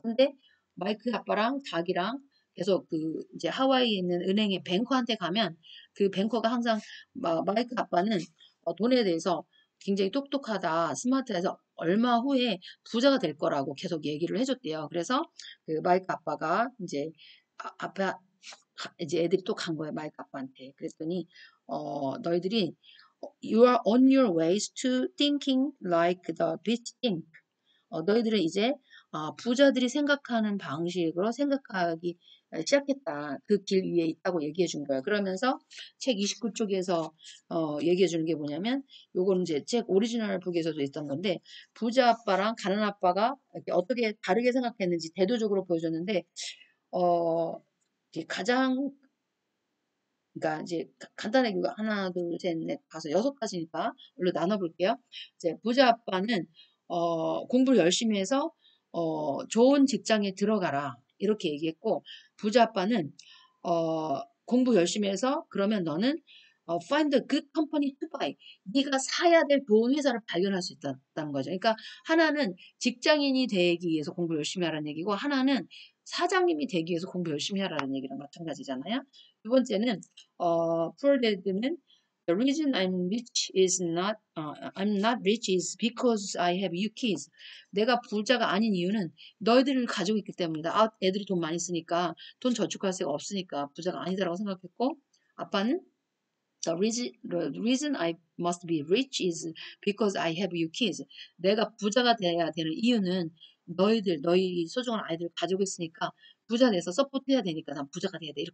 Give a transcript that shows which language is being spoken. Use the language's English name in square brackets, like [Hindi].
[Korean] 근데 마이크 아빠랑 닭이랑 계속 이제 하와이에 있는 은행의 뱅커한테 가면 그 뱅커가 항상 마이크 아빠는 돈에 대해서 굉장히 똑똑하다, 스마트해서 얼마 후에 부자가 될 거라고 계속 얘기를 해줬대요. 그래서 그 마이크 아빠가 이제 이제 애들이 또간 거예요, 마이크 아빠한테. 그랬더니 너희들이 [English] you are on your ways to thinking like the rich think. [Korean] 너희들은 이제 부자들이 생각하는 방식으로 생각하기 시작했다. 그길 위에 있다고 얘기해 준 거야. 그러면서 책 29쪽에서 얘기해 주는 게 뭐냐면, 요거는 이제 책 오리지널 북에서도 있던 건데, 부자 아빠랑 가난 아빠가 이렇게 어떻게 다르게 생각했는지 대조적으로 보여줬는데, 가장, 그러니까 이제 간단하게 하나, 둘, 셋, 넷, 다섯, 여섯 가지니까 일로 나눠볼게요. 이제 부자 아빠는 공부를 열심히 해서 좋은 직장에 들어가라 이렇게 얘기했고, 부자 아빠는 공부 열심히 해서 그러면 너는 [English] find a good company to buy, [Korean] 네가 사야 될 좋은 회사를 발견할 수 있다는 거죠. 그러니까 하나는 직장인이 되기 위해서 공부 열심히 하라는 얘기고, 하나는 사장님이 되기 위해서 공부 열심히 하라는 얘기랑 마찬가지잖아요. 두 번째는 [English] Poor Dad는 the reason I'm rich is not I'm not rich is because I have you kids. [Korean] 내가 부자가 아닌 이유는 너희들을 가지고 있기 때문이다. 아, 애들이 돈 많이 쓰니까, 돈 저축할 수가 없으니까 부자가 아니다라고 생각했고, 아빠는 [English] The reason I must be rich is because I have you kids. [Korean] 내가 부자가 되어야 되는 이유는 너희 소중한 아이들을 가지고 있으니까 부자 돼서 서포트해야 되니까 난 부자가 돼야 돼.